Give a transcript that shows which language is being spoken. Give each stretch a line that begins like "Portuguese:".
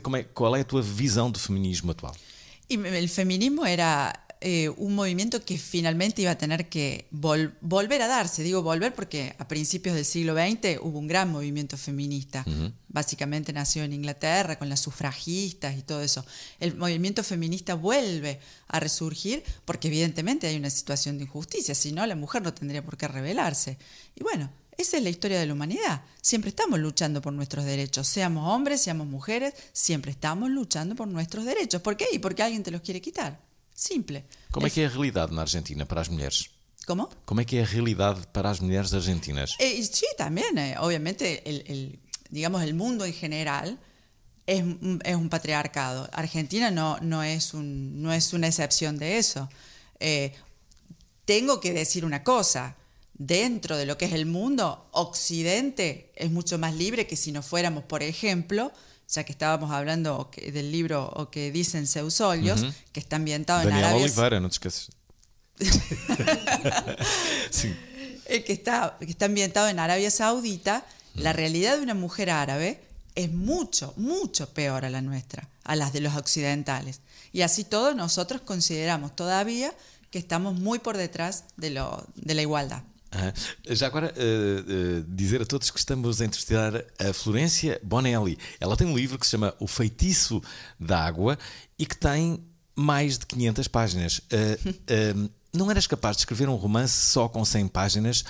Portuguese: Qual é a tua visão do feminismo atual?
Spanish: El feminismo era un movimiento que finalmente iba a tener que volver a darse. Digo volver porque a principios del siglo XX hubo un gran movimiento feminista. Básicamente nació en Inglaterra con las sufragistas y todo eso. El movimiento feminista vuelve a resurgir porque evidentemente hay una situación de injusticia. Si no, la mujer no tendría por qué rebelarse. Y bueno, esa es la historia de la humanidad. Siempre estamos luchando por nuestros derechos. Seamos hombres, seamos mujeres, siempre estamos luchando por nuestros derechos. ¿Por qué? Y porque alguien te los quiere quitar. Simple.
Portuguese: Como é que é a realidade na Argentina para as mulheres? Como? Como é que é a realidade para as mulheres argentinas? Sim, também. Obviamente, digamos, o mundo em geral é um patriarcado. Argentina não é uma exceção de isso. Tenho que dizer uma coisa. Dentro de lo que é o mundo, Occidente é muito mais livre que se não fôramos, por exemplo,
Spanish: ya que estábamos hablando del libro o que dicen Seus Olhos, que está ambientado
Portuguese: Daniel
Spanish: en Arabia
Portuguese: Saudita. Oliveira, no te esqueces.
Spanish: Sí. que está ambientado en Arabia Saudita, la realidad de una mujer árabe es mucho, mucho peor a la nuestra, a las de los occidentales. Y así todos nosotros consideramos todavía que estamos muy por detrás de la igualdad.
Portuguese: Já agora, dizer a todos que estamos a entrevistar a Florência Bonelli. Ela tem um livro que se chama O Feitiço da Água e que tem mais de 500 páginas. Não eras capaz de escrever um romance só com 100 páginas?